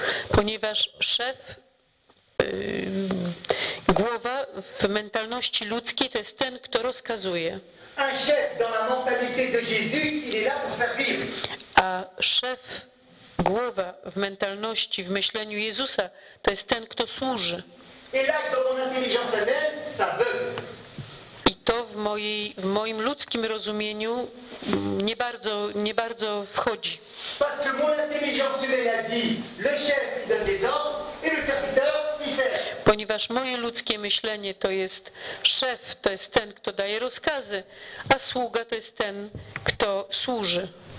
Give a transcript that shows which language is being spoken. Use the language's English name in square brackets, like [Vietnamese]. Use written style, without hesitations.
[Polish] Ponieważ szef, głowa w mentalności ludzkiej, to jest ten, kto rozkazuje. [French] Un chef dans la mentalité de Jésus, il est là pour servir. [Polish] A szef, głowa w mentalności, w myśleniu Jezusa, to jest ten, kto służy. [French] Et là, dans mon intelligence humaine, ça veut. [Polish] I to w moim ludzkim rozumieniu nie bardzo wchodzi. [French] Parce que mon intelligence humaine a dit, le chef donne des ordres et le serviteur. [Polish] Ponieważ moje ludzkie myślenie to jest szef, to jest ten, kto daje rozkazy, a sługa to jest ten, kto służy.